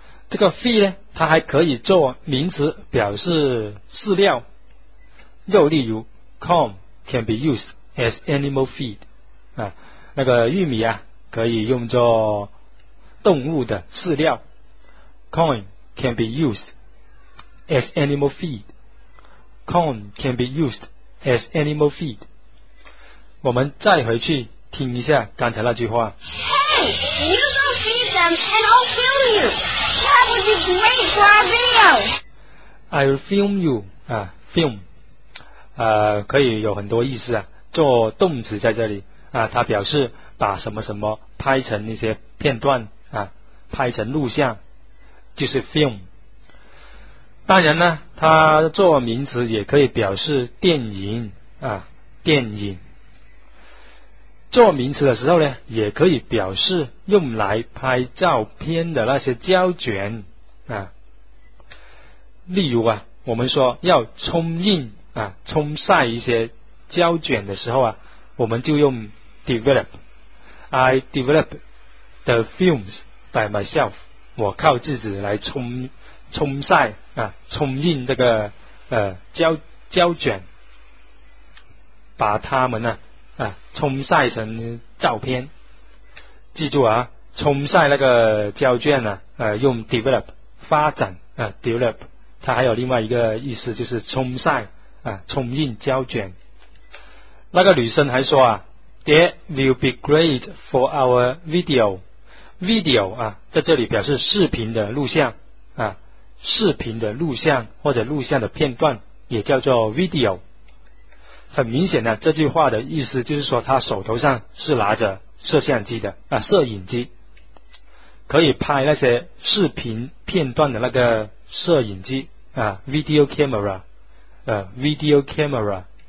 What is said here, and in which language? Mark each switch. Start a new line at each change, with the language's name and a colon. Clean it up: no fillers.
Chinese: 这个 feed 呢，它还可以做名词表示饲料肉，例如
English: corn can be used as animal feed
Chinese: 那个玉米可以用作动物的饲料。
English: corn can be used as animal feed， corn can be used as animal feed。
Chinese: 我们再回去听一下刚才那句话。
English: Hey, you go feed them and I'll kill film you. That would be great for our video. I will film you. Film.
Chinese: 可以有很多意思啊。做动词在这里啊，它表示把什么什么拍成那些片段啊，拍成录像，就是 film。当然呢，它做名词也可以表示电影啊，电影。做名词的时候呢，也可以表示用来拍照片的那些胶卷啊。例如啊，我们说要冲印啊，冲晒一些胶卷的时候啊，我们就用 develop。
English: I develop the films by myself。
Chinese: 我靠自己来冲晒啊，冲印这个胶卷，把它们呢啊冲晒成照片。记住啊，冲晒那个胶卷呢、啊，用 develop 发展啊 develop。它还有另外一个意思，就是冲晒啊，冲印胶卷。那个女生还说啊 ，
English: That will be great for our video。
Chinese: video 啊，在这里表示视频的录像啊，视频的录像或者录像的片段也叫做 video。很明显呢，这句话的意思就是说，她手头上是拿着摄像机的啊，摄影机，可以拍那些视频片段的那个摄影机啊 ，video camera， video camera。